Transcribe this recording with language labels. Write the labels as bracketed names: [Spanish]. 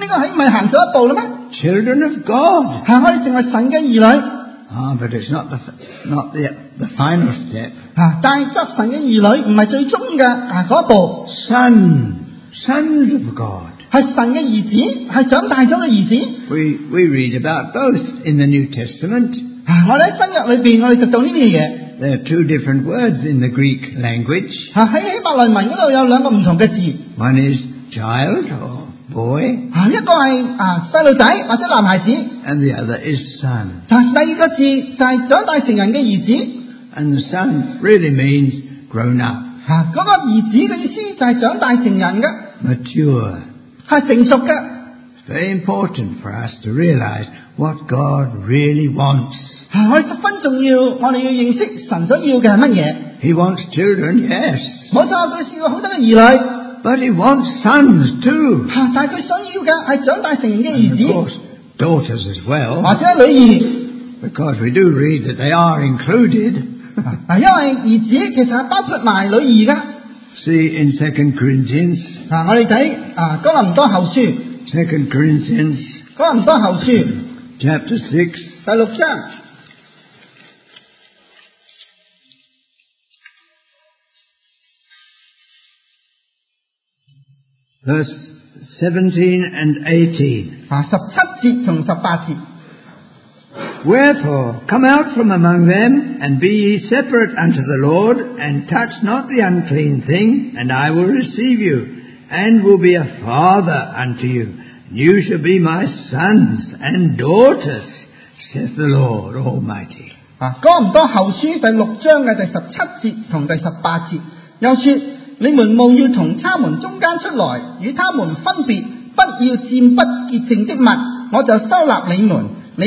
[Chinese] 這個是不是走了一步了嗎? [English] Children of God. [Chinese] 我們成為神的兒女。 [English] Ah, but it's not the final step. [Chinese] 但作神的兒女不是最終的那一步。 [English] Sons of God. [Chinese] 是神的兒子,是長大了的兒子。 [English] We read about both in the New Testament. [Chinese] 我們在新約裡面,我們讀到這些東西。 [English] There are two different words in the Greek language. [Chinese] 在希伯來文裡面有兩個不同的字。 [English] One is child or boy. [Chinese] 一個是小孩子或者男孩子。 [English] And the other is son. [Chinese] 第二個字就是長大成人的兒子。 [English] And the son really means grown up. [Chinese] 那個兒子的意思就是長大成人的。 [English] Mature. [Chinese] 是成熟的。 [English] It's very important for us to realize what God really wants. [Chinese] 我們十分重要,我們要認識神所要的是什麼? [English] He wants children, yes. [Chinese] 沒錯,他需要很多兒女。 [English] But he wants sons too. [Chinese] 但他想要的是長大成人的兒子。 [English] And of course, daughters as well. [Chinese] 或者女兒。 [English] Because we do read that they are included. [Chinese] 因為兒子其實是包括女兒的。 [English] See in 2 Corinthians. [Chinese] 我們看哥林多後書。 [English] 2 Corinthians. [Chinese] 哥林多後書。 [English] Chapter 6. [Chinese] 第六章。 [English] Verse 17 and 18. [Chinese] 17節和18節。 [English] Wherefore, come out from among them, and be ye separate unto the Lord, and touch not the unclean thing, and I will receive you, and will be a father unto you. You shall be my sons and daughters, saith the Lord Almighty. [Chinese] 哥林多后书第六章的第17节和第18节。又说,你们务要从他们中间出来,与他们分别,不要占不洁净的物,我就收纳你们。